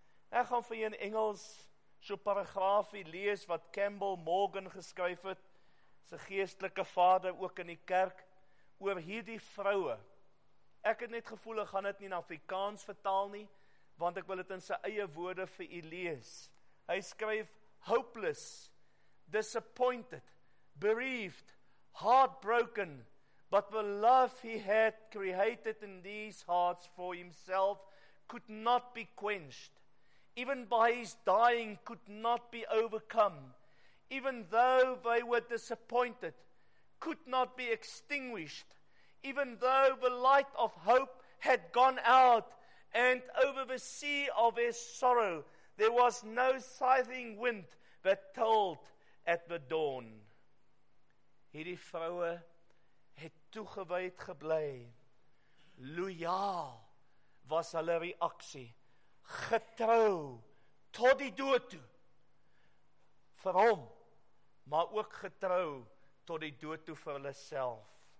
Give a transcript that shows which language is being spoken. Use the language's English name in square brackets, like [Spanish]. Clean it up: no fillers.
[Afrikaans] Ek gaan vir een Engels so paragraafie lees wat Campbell Morgan geskryf het, sy geestelike vader ook in die kerk, oor hierdie vroue. Ek het net gevoel, ek gaan dit nie in Afrikaans vertaal nie, want ek wil dit in sy eie woorde vir u lees. Hy skryf, [English] hopeless, disappointed, bereaved, heartbroken, but the love he had created in these hearts for himself could not be quenched. Even by his dying could not be overcome. Even though they were disappointed, could not be extinguished. Even though the light of hope had gone out and over the sea of his sorrow, there was no scything wind that told at the dawn. [Afrikaans] Hierdie vroue het toegewyd gebly. Loyaal was hulle reaksie. Getrou tot die dood toe. Vir hom, maar ook getrou tot die dood toe vir hulle self.